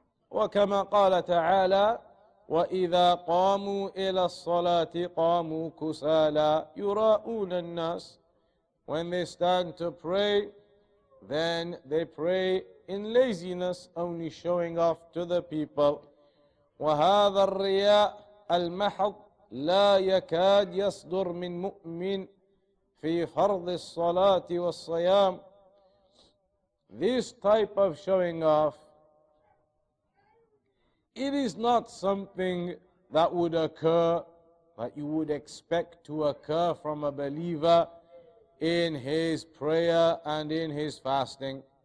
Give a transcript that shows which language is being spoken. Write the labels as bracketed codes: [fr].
[ar] وكما قال تعالى, وإذا قاموا إلى الصلاة قاموا كسالى يراؤون الناس. [en] When they stand to pray, then they pray in laziness, only showing off to the people. [ar] وهذا الرياء المحض لا يكاد يصدر من مؤمن في فرض الصلاة والصيام. [en] This type of showing off, it is not something that would occur, that you would expect to occur from a believer in his prayer and in his fasting.